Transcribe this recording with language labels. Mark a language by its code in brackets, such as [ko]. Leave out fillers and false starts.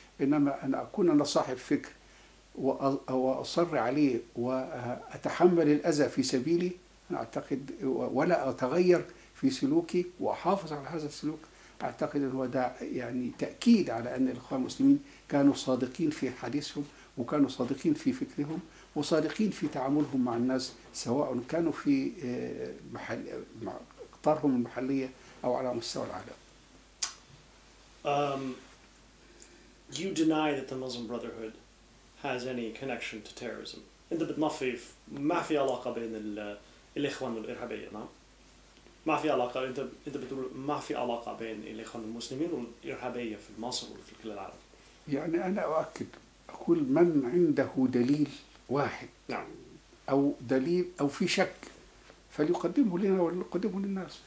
[ar] إنما أن أكون أنا صاحب فكر وأصر عليه وأتحمل الأذى في سبيلي، أنا أعتقد ولا أتغير في سلوكي وأحافظ على هذا السلوك، أعتقد أنه ده يعني تأكيد على أن الإخوان المسلمين كانوا صادقين في حديثهم، وكانوا صادقين في فكرهم، وصادقين في تعاملهم مع الناس، سواء كانوا في محل مع أقطارهم المحلية أو على مستوى العالم. [en] You deny that the Muslim Brotherhood has any connection to terrorism. [ar] أنت بتنفيه، ما في علاقة بين الإخوان الإرهابية، نعم؟ ما في علاقة، أنت بتقول ما في علاقة بين الإخوان المسلمين والإرهابية في مصر وفي كل العالم. يعني أنا أؤكد، أقول من عنده دليل واحد أو دليل أو في شك فليقدمه لنا وليقدمه للناس.